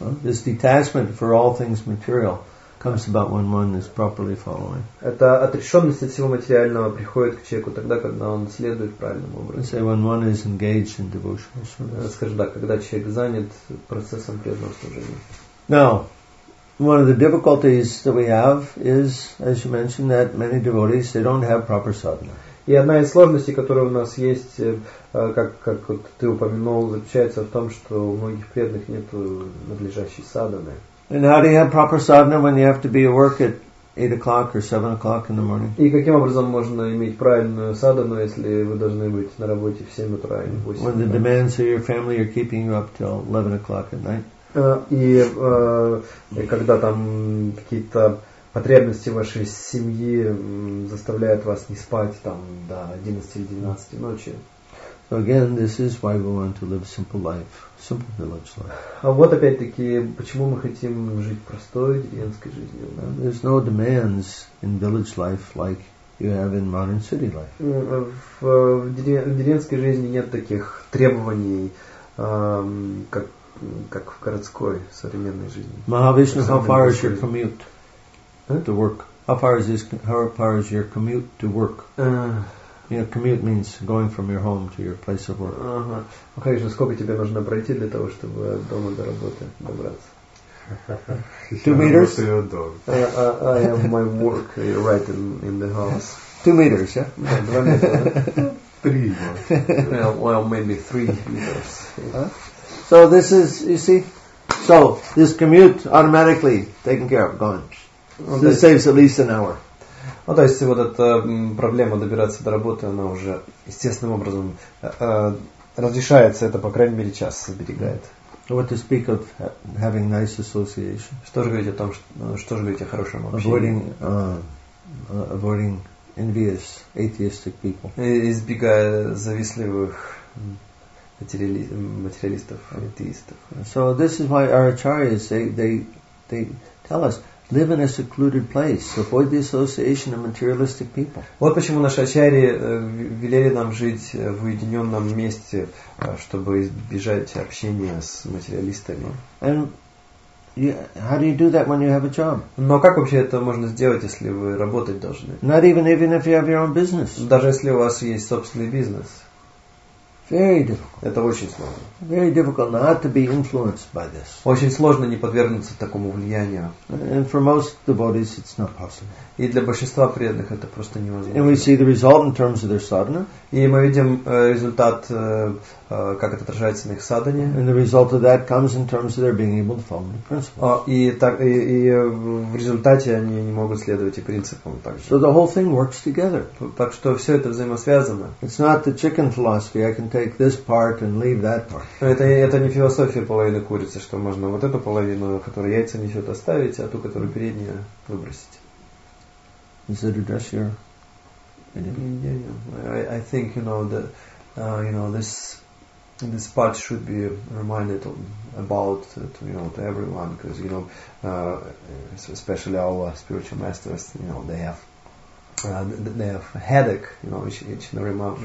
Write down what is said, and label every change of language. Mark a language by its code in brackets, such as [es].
[en] This detachment for all things material comes about when one is properly following. [ru] Эта отрешенность от всего материального приходит к человеку тогда, когда он следует правильным образом. [en] Say when one is engaged in devotional service. [ru] Скажи, да, когда человек занят процессом преданного служения. [en] Now, one of the difficulties that we have is, as you mentioned, that many devotees, they don't have proper sadhana. [ru] И одна из сложностей, которая у нас есть, как вот ты упомянул, заключается в том, что у многих преданных нет надлежащей садханы. [en] And how do you have proper sadhana when you have to be at work at 8 o'clock or 7 o'clock in the morning? [ru] И каким образом можно иметь правильную садхану, если вы должны быть на работе в 7 утра или 8? [en] When the demands of your family are keeping you up till 11 o'clock at night? [ru] И когда там какие-то потребности вашей семьи заставляют вас не спать там до 11 или 12 ночи? [en] So again, this is why we want to live simple life, simple village life. [ru] А вот опять-таки, почему мы хотим жить простой деревенской жизнью? Да? [en] There's no demands in village life like you have in modern city life. [ru] В деревенской жизни нет таких требований, как в городской современной жизни. [en] Mahavishnu, how far is your commute to work? How far is your commute to work? You know, commute means going from your home to your place of work. Uh-huh. Okay, so [ru] сколько тебе нужно пройти для того, чтобы от дома до работы добраться? [en] 2 meters? I have my work right in the house. 2 meters, yeah? 2 meters. 3 meters. Well, maybe 3 meters. Huh? So this is, you see, so this commute automatically taken care of, gone. So this saves at least an hour. [ru] Ну, то есть, вот эта проблема добираться до работы, она уже естественным образом разрешается, это, по крайней мере, час сберегает. [en] What to speak of having nice association? [ru] Что же говорить о том, что же говорить о хорошем общении? [en] Avoiding envious, atheistic people. [ru] Избегая завистливых материалистов, атеистов. [en] So this is why our acharyas, they tell us, live in a secluded place. Avoid the association of materialistic people. [ru] Вот почему наши ачарьи велели нам жить в уединенном месте, чтобы избежать общения с материалистами. [en] And how do you do that when you have a job? [ru] Но как вообще это можно сделать, если вы работать должны? [en] Not even if you have your own business. [ru] Даже если у вас есть собственный бизнес. [en] Very difficult. [ru] Это очень сложно. [en] Very difficult not to be influenced by this. [ru] Очень сложно не подвергнуться такому влиянию. [en] And for most devotees, it's not possible. [ru] И для большинства преданных это просто невозможно. [en] And we see the result in terms of their sadhana. [ru] И мы видим результат, как это отражается на их садхане. [en] And the result of that comes in terms of their being able to follow the principles. [ru] И в результате они не могут следовать и принципам также. [en] So the whole thing works together. [ru] Так что все это взаимосвязано. [en] It's not the chicken philosophy. I can take this part and leave that part. [ru] Это не философия половины курицы, что можно вот эту половину, которая яйца несет, оставить, а ту, которую передняя, выбросить. [en] Is it address your I think you know that you know this part should be reminded about to, you know, to everyone, because you know especially our spiritual masters, you know, they have a headache, you know, each and every one,